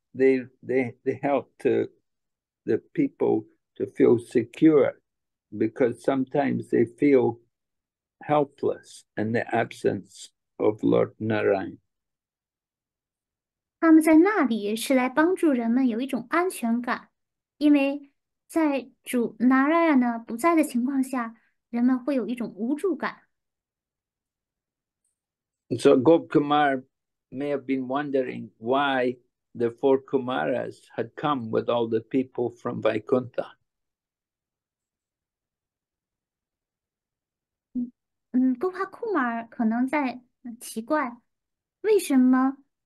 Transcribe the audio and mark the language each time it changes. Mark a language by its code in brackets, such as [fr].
[en] they help the people to feel secure, because sometimes they feel helpless in the absence of Lord Narayan. [zh] 他们在那里是来帮助人们有一种安全感，因为在主 Narayana 不在的情况下，人们会有一种无助感。 [en] So Gop Kumar may have been wondering why the four Kumaras had come with all the people from Vaikuntha. [zh] Gopa Kumar 可能在奇怪，为什么？